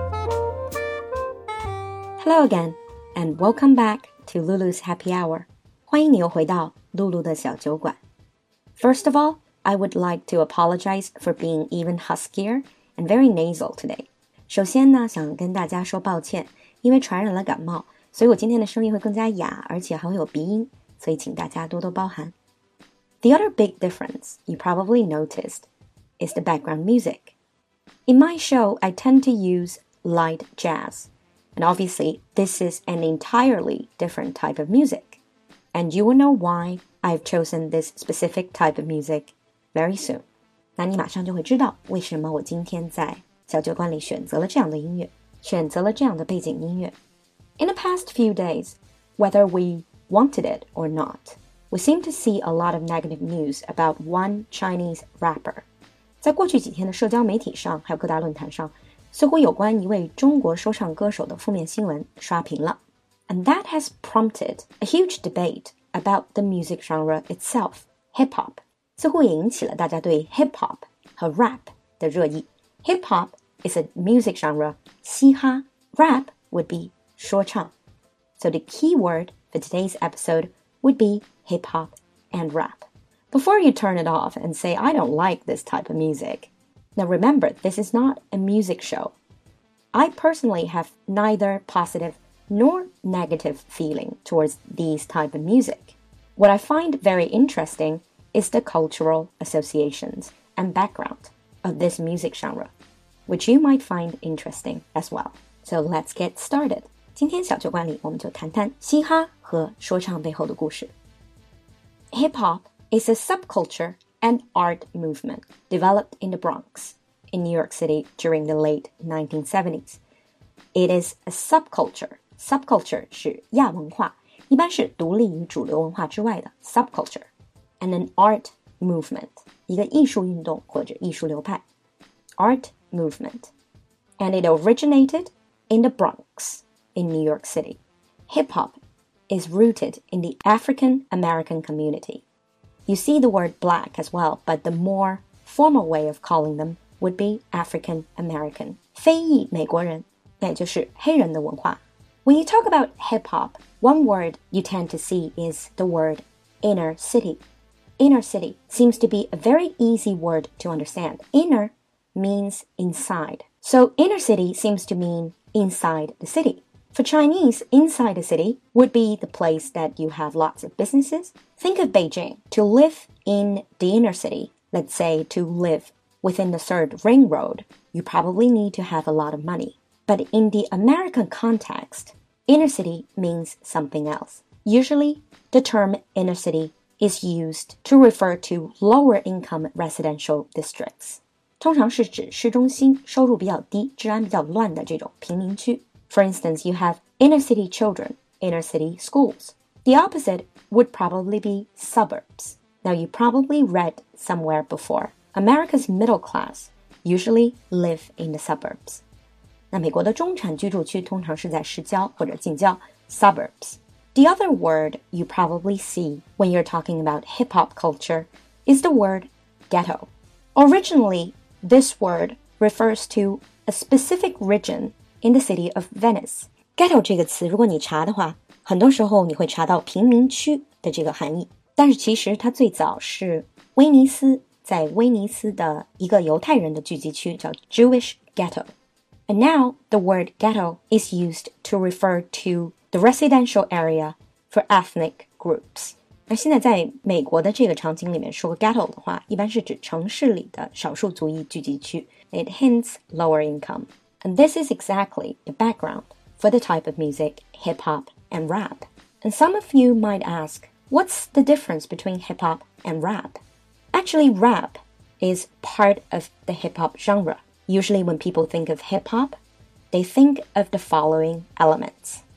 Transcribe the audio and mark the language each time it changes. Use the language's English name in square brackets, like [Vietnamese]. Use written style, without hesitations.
[English] Hello again, and welcome back to Lulu's Happy Hour. [Chinese] 欢迎你又回到露露的小酒馆。 [English] First of all, I would like to apologize for being even huskier and very nasal today. [Chinese] 首先呢，想跟大家说抱歉，因为传染了感冒，所以我今天的声音会更加哑，而且还会有鼻音，所以请大家多多包涵。 [English] The other big difference you probably noticed is the background music. In my show, I tend to use light jazz. And obviously, this is an entirely different type of music. And you will know why I've chosen this specific type of music very soon. [Chinese] 那你马上就会知道为什么我今天在小酒馆里选择了这样的音乐，选择了这样的背景音乐。 [English] In the past few days, whether we wanted it or not, we seem to see a lot of negative news about one Chinese rapper. [Chinese] 在过去几天的社交媒体上，还有各大论坛上，似乎有关一位中国说唱歌手的负面新闻刷屏了。 [English] And that has prompted a huge debate about the music genre itself, hip-hop. [Chinese] 似乎也引起了大家对 hip-hop 和 rap 的热议。 [English] Hip-hop is a music genre, [Chinese] 嘻哈。 [English] Rap would be 说唱。 So the key word for today's episode would be hip-hop and rap. Before you turn it off and say, I don't like this type of music,Now remember, this is not a music show. I personally have neither positive nor negative feeling towards these type of music. What I find very interesting is the cultural associations and background of this music genre, which you might find interesting as well. So let's get started. [Chinese] 今天小酒馆里我们就谈谈嘻哈和说唱背后的故事。 [English] Hip-hop is a subculture and art movement developed in the Bronx. In New York City during the late 1970s. It is a subculture. [Chinese] Subculture 是亚文化，一般是独立于主流文化之外的 subculture. [English] And an art movement. [Chinese] 一个艺术运动或者艺术流派。 [English] Art movement. And it originated in the Bronx in New York City. Hip-hop is rooted in the African-American community. You see the word black as well, but the more formal way of calling themwould be African-American. [Chinese] 非裔美国人，那也就是黑人的文化。 [English] When you talk about hip-hop, one word you tend to see is the word inner city. Inner city seems to be a very easy word to understand. Inner means inside. So inner city seems to mean inside the city. For Chinese, inside the city would be the place that you have lots of businesses. Think of Beijing. To live in the inner city, let's say to live within the third ring road, you probably need to have a lot of money. But in the American context, inner city means something else. Usually, the term inner city is used to refer to lower income residential districts. [Chinese] 通常是指市中心收入比较低、治安比较乱的这种贫民区。 [English] For instance, you have inner city children, inner city schools. The opposite would probably be suburbs. Now, you probably read somewhere before. America's middle class usually live in the suburbs. [Chinese] 那美国的中产居住区通常是在市郊或者近郊 suburbs. [English] The other word you probably see when you're talking about hip-hop culture is the word ghetto. Originally, this word refers to a specific region in the city of Venice. [Chinese] Ghetto 这个词如果你查的话，很多时候你会查到贫民区的这个含义。但是其实它最早是威尼斯在威尼斯的一个犹太人的聚集区叫 Jewish Ghetto. [English] And now, the word ghetto is used to refer to the residential area for ethnic groups. [Chinese] 那现在在美国的这个场景里面说 ghetto 的话一般是指城市里的少数族裔聚集区 [English] It hints lower income. And this is exactly the background for the type of music, hip-hop and rap. And some of you might ask, what's the difference between hip-hop and rap? Actually, rap is part of the hip-hop genre. Usually, when people think of hip-hop, they think of the following elements.